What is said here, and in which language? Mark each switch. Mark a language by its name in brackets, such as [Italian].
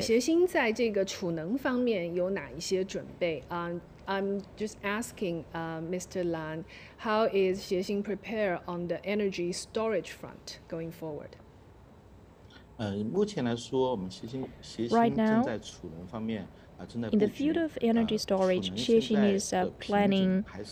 [Chinese] 协鑫在这个储能方面有哪一些准备？ [English] I'm just asking Mr. Lan, how is 协鑫 prepared on the energy storage front going forward? [Chinese] 目前来说，我们协鑫正在储能方面正在布局。 [English] In the field of energy storage, 协鑫 is planning